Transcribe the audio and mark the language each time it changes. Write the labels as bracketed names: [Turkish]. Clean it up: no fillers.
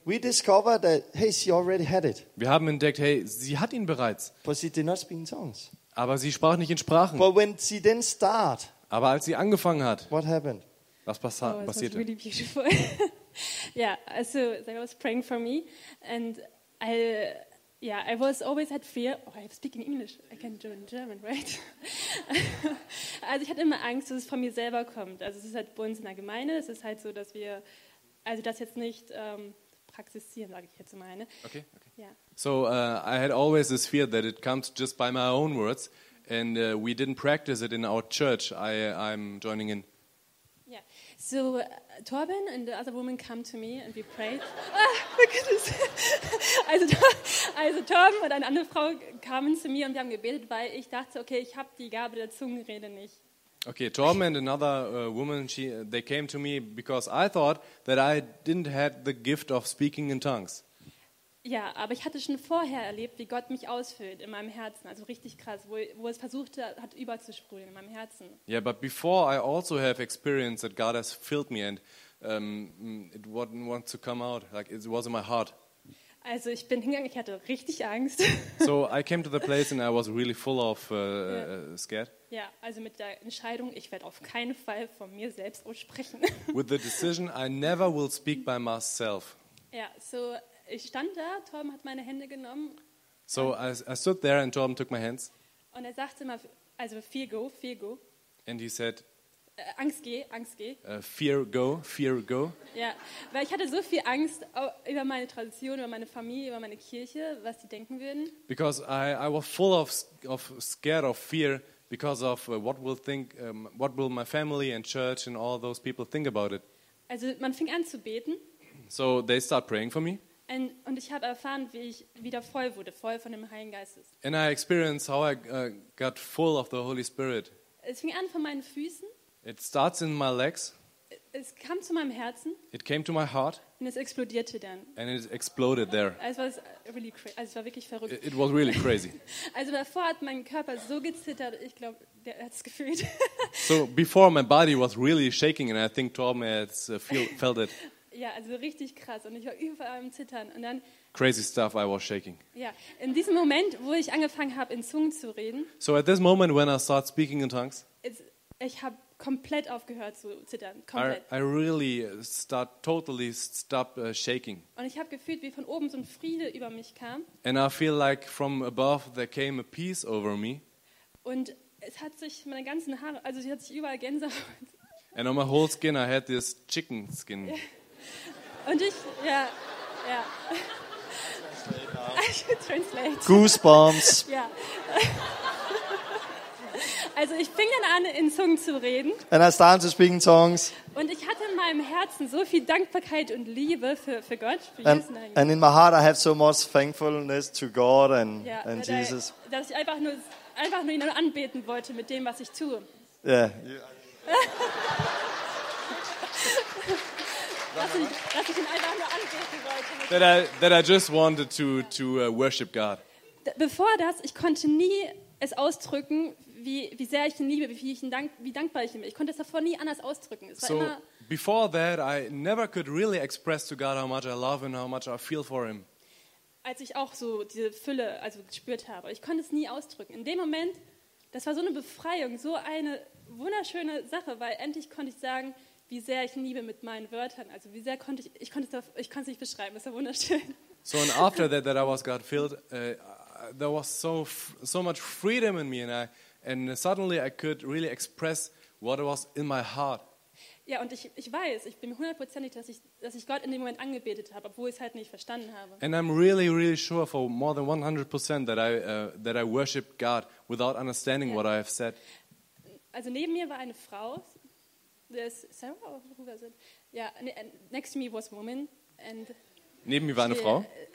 [English] we discovered that, hey, she already had it. [German] Wir haben entdeckt, hey, sie hat ihn bereits. [English] But she did not speak in tongues. [German] Aber sie sprach nicht in Sprachen. [English] But when she then start, [German] aber als sie angefangen hat, [English] what happened? [German] Was passierte? [English] Oh, it was really beautiful. Yeah, so they was praying for me and I... Yeah, I was always had fear. Oh, I speak in English. I can do it in German, right? [German] Also ich hatte immer Angst, dass es von mir selber kommt. Also es ist halt bei uns in der Gemeinde. Es ist halt so, dass wir also das jetzt nicht praktizieren, sage ich jetzt meine. [English] Okay. Yeah. So I had always this fear that it comes just by my own words, and we didn't practice it in our church. I'm joining in. Yeah. So Torben and the other woman come to me and we prayed. Ah, my goodness. [German] Also Torben und eine andere Frau kamen zu mir und wir haben gebetet, weil ich dachte, okay, ich habe die Gabe der Zungenrede nicht. [English] Okay, Torben and another woman, they came to me because I thought that I didn't have the gift of speaking in tongues. [German] Ja, aber ich hatte schon vorher erlebt, wie Gott mich ausfüllt in meinem Herzen, also richtig krass, wo es versuchte, hat überzusprühen in meinem Herzen. [English] Yeah, but before I also have experienced that God has filled me and it wouldn't want to come out, like it was in my heart. [German] Also ich bin hingegangen, ich hatte richtig Angst. [English] So I came to the place and I was really full of scared. [German] Ja, yeah, also mit der Entscheidung, ich werde auf keinen Fall von mir selbst aussprechen. [English] With the decision, I never will speak by myself. [German] Ja, yeah, so ich stand da, Torben hat meine Hände genommen. [English] So I stood there and Torben took my hands. [German] Und er sagte immer, also [English] fear go, fear go. And he said, [German] Angst geh, Angst geh. [English] Fear go, fear go. [German] Ja, weil ich hatte so viel Angst über meine Tradition, über meine Familie, über meine Kirche, was die denken würden. [English] Because I was full of scared of fear because of what will think, what will my family and church and all those people think about it. [German] Also man fing an zu beten. [English] So they start praying for me. [German] Und ich habe erfahren, wie ich wieder voll wurde, voll von dem Heiligen Geist. [English] And I experienced how I got full of the Holy Spirit. [German] Es fing an von meinen Füßen. [English] It starts in my legs. [German] Es kam zu meinem Herzen. [English] It came to my heart. [German] Und es explodierte dann. [English] And it exploded there. [German] Es war [English] really crazy. [German] Also es war wirklich verrückt. [English] It was really crazy. [German] Also davor hat mein Körper so gezittert, ich glaube, der hat es gefühlt. [English] So before my body was really shaking and I think Tom has felt it. [German] Ja, also richtig krass und ich war überall am Zittern und dann [English] crazy stuff, I was shaking. [German] Ja, in diesem Moment, wo ich angefangen habe in Zungen zu reden. [English] So at this moment when I started speaking in tongues. [German] Ich habe komplett aufgehört zu zittern, komplett. [English] I really stopped shaking. [German] Und ich habe gefühlt, wie von oben so ein Friede über mich kam. [English] And I feel like from above there came a peace over me. [German] Und es hat sich meine ganzen Haare, also sie hat sich überall Gänsehaut. [English] And on my whole skin I had this chicken skin. [German] Und ich, ja, ja. [English] I should translate. Goosebumps. [German] Ja. Also ich fing dann an, in Zungen zu reden. [English] And I started to speak in tongues. [German] Und ich hatte in meinem Herzen so viel Dankbarkeit und Liebe für Gott, für Jesus. [English] And in my heart I have so much thankfulness to God and, yeah, and Jesus. [German] Dass ich einfach nur ihn anbeten wollte mit dem, was ich tue. [English] Yeah. [German] dass ich ihn einfach nur anbeten wollte. [English] That I just wanted to worship God. [German] Bevor das, ich konnte nie es ausdrücken, wie sehr ich ihn liebe, wie dankbar ich ihm bin. Ich konnte es davor nie anders ausdrücken. Es war so immer, [English] before that, I never could really express to God how much I love and how much I feel for him. [German] Als ich auch so diese Fülle also gespürt habe, ich konnte es nie ausdrücken. In dem Moment, das war so eine Befreiung, so eine wunderschöne Sache, weil endlich konnte ich sagen, wie sehr ich ihn liebe mit meinen Wörtern. Also wie sehr konnte ich konnte es nicht beschreiben. Es war wunderschön. [English] So and after that I was God filled, there was so much freedom in me and suddenly I could really express what was in my heart. [German] Ja, und ich weiß, ich bin hundertprozentig, dass ich Gott in dem Moment angebetet habe, obwohl ich es halt nicht verstanden habe. [English] And I'm really really sure for more than 100% that I worship God without understanding what I have said. [German] Also neben mir war eine Frau, [English] there's Sarah or who was it? Ja, next to me was a woman and [German] neben mir war eine Frau.